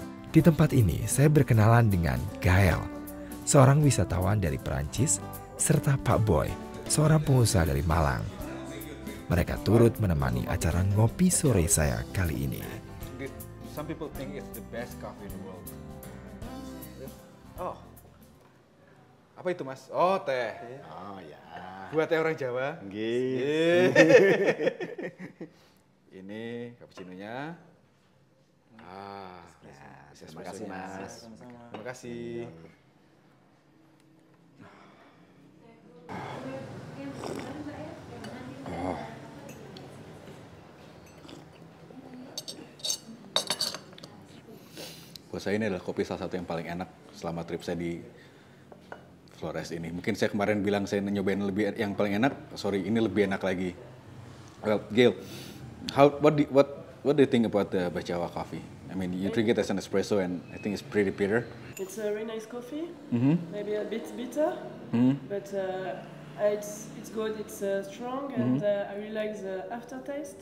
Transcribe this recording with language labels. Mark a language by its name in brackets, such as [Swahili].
[Indonesian] Di tempat ini, saya berkenalan dengan Gael, seorang wisatawan dari Perancis, serta Pak Boy, seorang pengusaha dari Malang. Mereka turut menemani acara ngopi sore saya kali ini. [English] Some people think it's the best coffee in the world. [Indonesian] Oh. Apa itu, Mas? Oh, teh. Oh, ya. Buat orang Jawa? [Javanese] Nggih. [Indonesian] Ini cappuccino-nya. Ah, ya, terima kasih, Mas. Terima kasih. Buat saya ini adalah kopi salah satu yang paling enak selama trip saya di Flores ini. Mungkin saya kemarin bilang saya nyobain lebih yang paling enak, sorry ini lebih enak lagi. [English] Well, Gael, what do you think about the Bajawa coffee? I mean, you drink it as an espresso and I think it's pretty bitter. It's a very nice coffee, maybe a bit bitter, but it's good, it's strong and I really like the aftertaste.